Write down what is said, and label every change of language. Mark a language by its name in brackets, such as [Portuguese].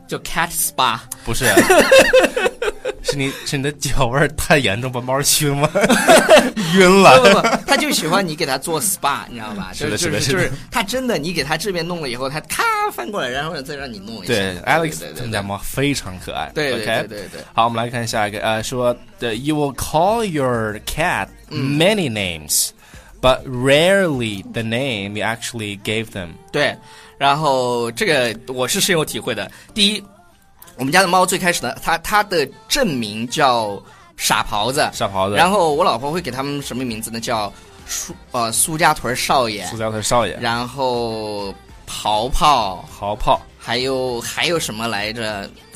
[Chinese] 就 [English] cat spa。 [Chinese] 不是。是你的脚味太严重，把猫熏吗？晕了。不，他就喜欢你给他做 SPA， 你知道吧？是的，他真的，你给他这边弄了以后，他咔翻过来，然后再让你弄一下。对，Alex 他们家猫非常可爱。对，好，我们来看下一个，说 [English] ，You will call your cat many names， but rarely the name you actually gave them。 [Chinese] 对，然后这个我是深有体会的。第一。我们家的猫最开始呢，它的正名叫傻狍子，然后我老婆会给他们什么名字呢？叫苏家屯少爷，然后袍袍，还有什么来着？